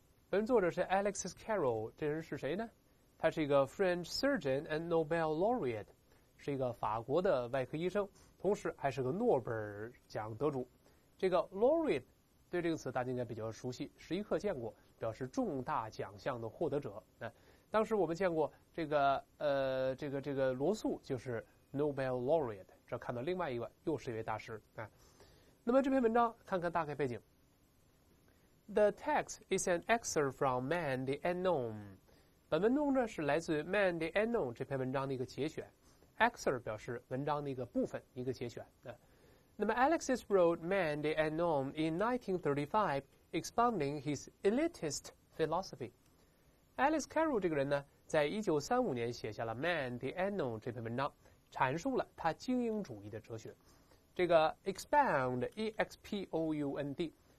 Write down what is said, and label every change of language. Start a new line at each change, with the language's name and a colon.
Chinese: 本作者是 Alexis Carrel，这人是谁呢？他是一个
English: French surgeon and Nobel laureate，
Chinese: 是一个法国的外科医生，同时还是个诺贝尔奖得主。这个 laureate 对这个词大家应该比较熟悉，是一课见过，表示重大奖项的获得者。当时我们见过这个罗素就是 Nobel laureate， 这看到另外一个又是一位大师。那么这篇文章看看大概背景。
English: The text is an excerpt from Man the Unknown.
Chinese: 本文中呢是来自 Man the Unknown 这篇文章的一个节选。Excerpt 表示文章的一个部分，一个节选。那么
English: Alexis wrote Man the Unknown in 1935, expounding his elitist philosophy.
Chinese: Alice Carrel 这个人呢，在1935年写下了 Man the Unknown 这篇文章，阐述了他精英主义的哲学。这个 expound expound。